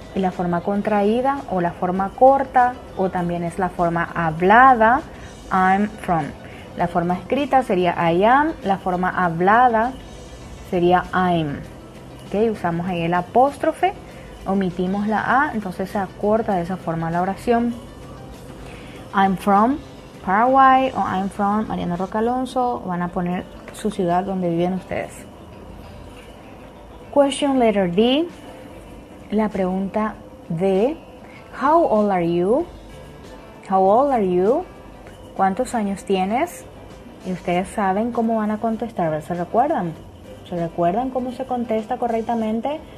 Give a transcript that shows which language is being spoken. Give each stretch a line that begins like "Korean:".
Spanish: Y la forma contraída o la forma corta. O también es la forma hablada,
English: I'm from.
Spanish: La forma escrita sería I am, la forma hablada sería I'm. ¿Okay? Usamos ahí el apóstrofe, omitimos la A, entonces se acorta de esa forma la oración.
English: I'm from Paraguay o I'm from Mariano Roca Alonso.
Spanish: Van a poner su ciudad donde viven ustedes.
English: Question letter D.
Spanish: La pregunta D.
English: How old are you? How old are you?
Spanish: ¿Cuántos años tienes? Y ustedes saben cómo van a contestar, ¿se recuerdan? ¿Se recuerdan cómo se contesta correctamente?